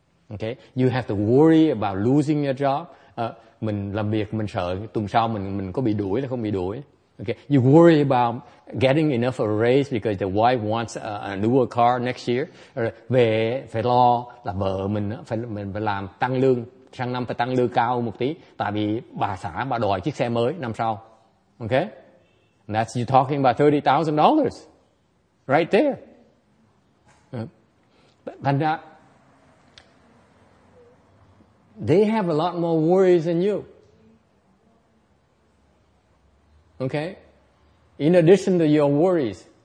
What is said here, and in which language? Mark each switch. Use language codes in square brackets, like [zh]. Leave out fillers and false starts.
[en] Okay, you have to worry about losing your job. [vi] Mình làm việc mình sợ tuần sau mình có bị đuổi hay không bị đuổi. [en] Okay, you worry about getting enough of a raise because the wife wants a newer car next year. [vi] Về phải lo là vợ mình phải làm tăng lương, sang năm phải tăng lương cao một tí, tại vì bà xã bà đòi chiếc xe mới năm sau. [en] Okay, and that's you talking about $30,000 right there. [vi] Thành ra, [en] they have a lot more worries than you. Okay? In addition to your worries.